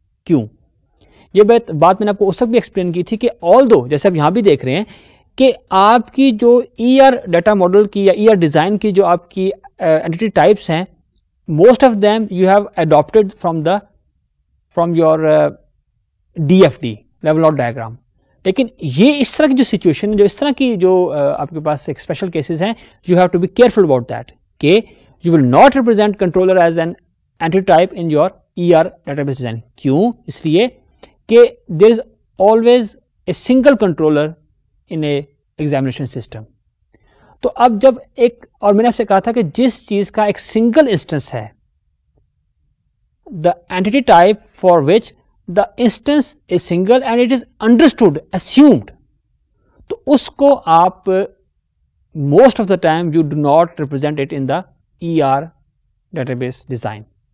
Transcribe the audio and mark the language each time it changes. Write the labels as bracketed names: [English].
[Urdu] کیوں؟ یہ بات میں نے آپ کو اس وقت بھی ایکسپلین کی تھی کہ آل دو جیسے آپ یہاں بھی دیکھ رہے ہیں کہ آپ کی جو ای آر ڈیٹا ماڈل کی یا ای آر ڈیزائن کی جو آپ کی اینٹی ٹائپس ہیں [English] Most of them you have adapted from your D F D level of diagram. [Urdu] لیکن یہ اس طرح کی جو سچویشن جو اس طرح کی جو آپ کے پاس ایک اسپیشل کیسز ہیں [English] You have to be careful about that کہ you will not represent controller as an entity type in your E R data base design. [Urdu] کیوں؟ اس لیے کہ [English] There is always a single controller in a examination system. [Urdu] تو اب جب ایک اور میں نے آپ سے کہا تھا کہ جس چیز کا ایک سنگل انسٹنس ہے [English] the entity type for which the instance is single and it is understood assumed [Urdu] تو اس کو آپ [English] Most of the time you do not represent it in the E R data base design.